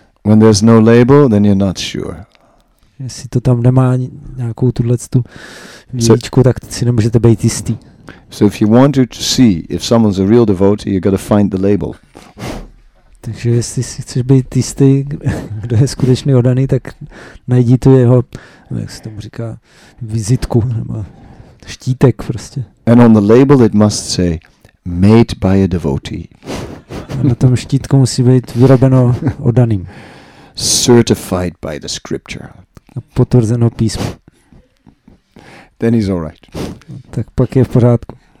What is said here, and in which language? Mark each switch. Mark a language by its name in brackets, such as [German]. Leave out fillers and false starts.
[English] When there's no label, then you're not sure. [Czech] Jestli to tam nemá nějakou tuhlectu výjíčku, so, tak si nemůžete být jistý. [English] So if you want to see if someone's a real devotee, you've got to find the label. [Czech] Takže jestli si chceš být jistý, kdo je skutečně oddaný, tak najdi tu jeho, jak se tomu říká, vizitku nebo štítek prostě. [English] And on the label it must say made by a devotee. [Czech] A na tom štítku musí být vyrobeno oddaným. [English] Certified by the scripture. [Czech] A potvrzeno písmo. [English] Then he's all right. [Czech] Tak pak je v pořádku.